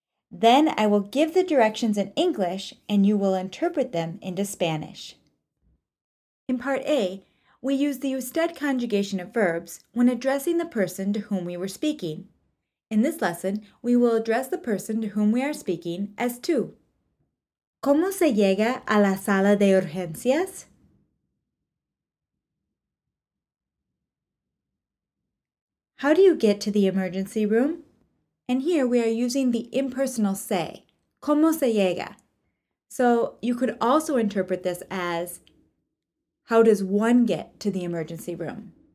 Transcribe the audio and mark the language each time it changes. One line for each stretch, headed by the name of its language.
English: Then I will give the directions in English and you will interpret them into Spanish. In Part A, we use the usted conjugation of verbs when addressing the person to whom we were speaking. In this lesson, we will address the person to whom we are speaking as tú.
Spanish: ¿Cómo se llega a la sala de urgencias?
English: How do you get to the emergency room? And here we are using the impersonal se,
Spanish: ¿cómo se llega?
English: So you could also interpret this as, how does one get to the emergency room?